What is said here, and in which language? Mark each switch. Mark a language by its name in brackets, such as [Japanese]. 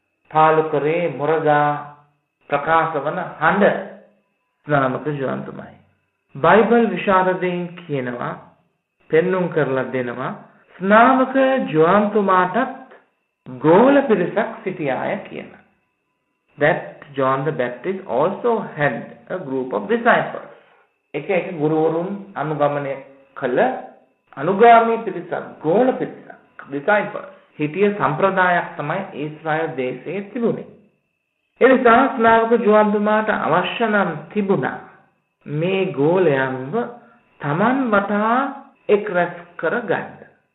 [Sinhala] පාලුකරේ මොරගා ප්‍රකාශ වන හඬ ස්නාවක ජුවාන්තුමායි. බයිබල් විශාරදයෙන් කියනවා, පෙන්නුම් කරලා දෙනවා ස්නාවක ජුවාන්තුමාටත් ගෝල පිරිසක් සිටියාය කියන. [English] That John the Baptist also had a group of disciples. [Sinhala] එක එක ගුරුවරුන් අනුගමනය කළ අනුගාමී පිරිසක්, ගෝල පිරිසක්. දෙසයි හිටිය සම්ප්‍රදායක් තමයි ඊශ්‍රායල් දේශයේ තිබුණේ. එනිසා ස්නාවක ජුවන්තුමාට අවශ්‍ය නම් තිබුණා මේ ගෝලයන්ව තමන් වටා එක් රැස් කරගන්න.